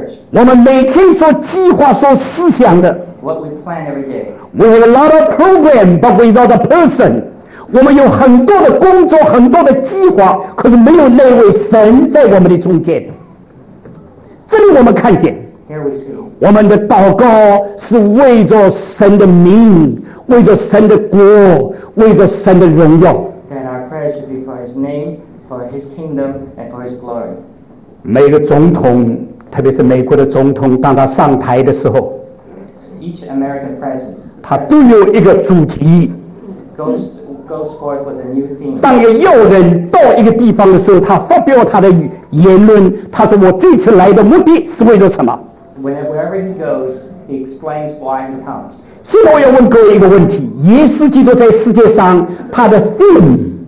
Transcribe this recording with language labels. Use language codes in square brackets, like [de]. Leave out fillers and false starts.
[zh] 我们每天所计划所思想的， [en] What we plan every day. We have a lot of program, but without a person. [zh] 我们有很多的工作，很多的计划，可是没有那位神在我们的中间。这里我们看见， [en] Here we see. [zh] 我们的祷告是为着神的名，为着神的国，为着神的荣耀。 [en] Then our prayer should be for His name, for His kingdom, and for His glory. [zh] 每个总统，特别是美国的总统，当他上台的时候， [en] Each American president, [zh] 他都有一个主题。 [en] Goes forth with a new theme. [zh] 当一个要人到一个地方的时候，他发表他的言论。他说：“我这次来的目的是为了什么？” [en] Wherever he goes, he explains why he comes. [zh] 现在我要问各位一个问题：耶稣基督在世界上，他的 theme,